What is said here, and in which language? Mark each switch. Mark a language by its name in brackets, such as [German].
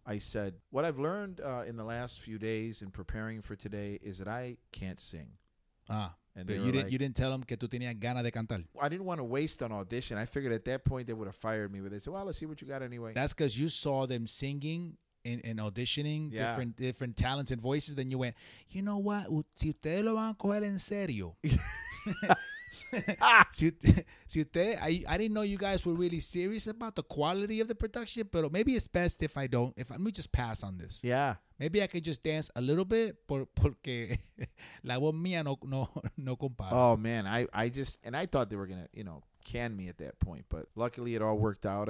[English] I said, what I've learned in the last few days in preparing for today is that I can't sing. Ah. And but you didn't tell them [Spanish] que tú tenías ganas de cantar. [English] I didn't want to waste an audition. I figured at that point they would have fired me, but they said, well, let's see what you got anyway. That's because you saw them singing and auditioning different talents and voices. Then you went, you know what? [Spanish] Si ustedes lo van a coger en serio. [English] I didn't know you guys were really serious about the quality of the production, but maybe it's best if I don't. If let me just pass on this. Yeah. Maybe I could just dance a little bit, [Spanish] porque la voz mía no compara. [English] Oh man, I thought they were gonna, you know, can me at that point, but luckily it all worked out.